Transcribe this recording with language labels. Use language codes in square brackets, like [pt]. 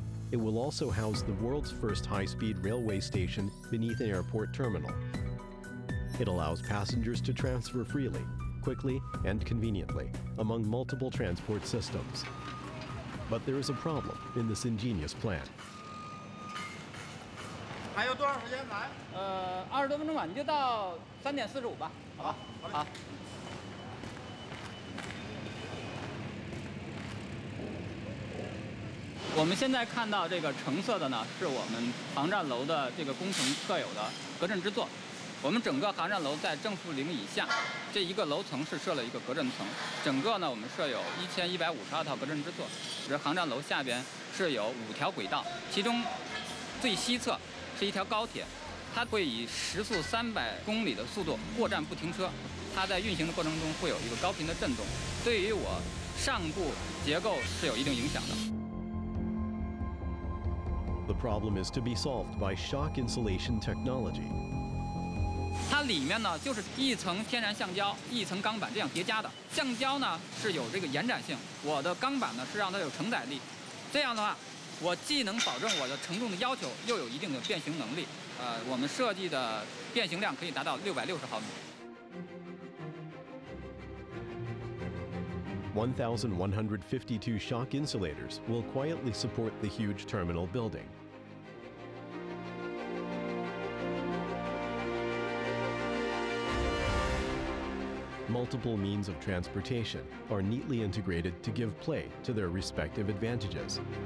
[en] It will also house the world's first high-speed railway station beneath an airport terminal. It allows passengers to transfer freely, quickly, and conveniently among multiple transport systems. But there is a problem in this ingenious plan. [zh] 还有多少时间来？二十多分钟吧，你就到3:45吧。好。我们现在看到这个橙色的呢，是我们航站楼的这个工程特有的隔震之作。我们整个航站楼在正负零以下，这一个楼层是设了一个隔震层。整个呢，我们设有1152套隔震之作。这航站楼下边是有5条轨道，其中最西侧是一条高铁，它会以时速300公里的速度过站不停车。它在运行的过程中会有一个高频的震动，对于我上部结构是有一定影响的。 [en] The problem is to be solved by shock insulation technology. [zh] 它里面呢就是一层天然橡胶，一层钢板这样叠加的。橡胶呢是有这个延展性，我的钢板呢是让它有承载力。这样的话，我既能保证我的承重的要求，又有一定的变形能力。我们设计的变形量可以达到660毫米。 [en] 1,152 shock insulators will quietly support the huge terminal building. Multiple means of transportation are neatly integrated to give play to their respective advantages.